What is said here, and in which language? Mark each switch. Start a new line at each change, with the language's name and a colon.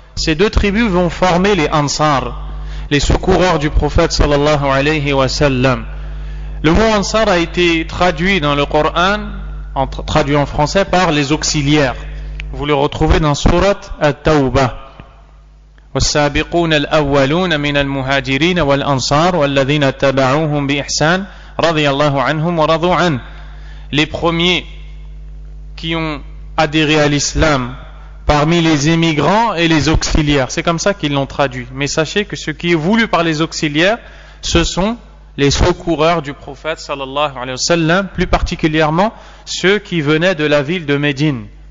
French: Ces deux tribus vont former les Ansar, les secoureurs du prophète sallallahu alayhi wa sallam. Le mot Ansar a été traduit dans le Coran, traduit en français, par les auxiliaires. Vous le retrouvez dans Surat At-Tawbah.
Arabic: والسابقون الأولون من المهاجرين والأنصار والذين تبعوهم بإحسان رضي الله عنهم ورضوا عنه.
French: Les premiers qui ont adhéré à l'islam parmi les émigrants et les auxiliaires. C'est comme ça qu'ils l'ont traduit. Mais sachez que ce qui est voulu par les auxiliaires, ce sont les secoureurs du prophète sallallahu alayhi wa sallam, plus particulièrement ceux qui venaient de la ville de Médine.